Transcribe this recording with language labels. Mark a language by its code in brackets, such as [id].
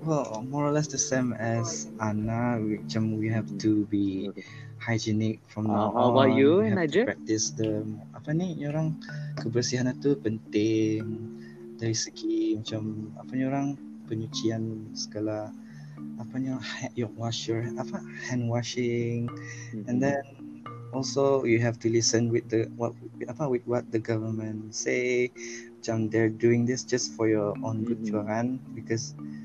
[en] Well, more or less the same as Anna, which we have to be hygienic from now on. How about you, Najib? Practice the [ms] apa ni? Orang kebersihan itu penting dari segi macam apa ni orang. Penyucian segala apa ni, [en] hand washing, and then also you have to listen with the what the government say. Macam they're doing this just for your own good, because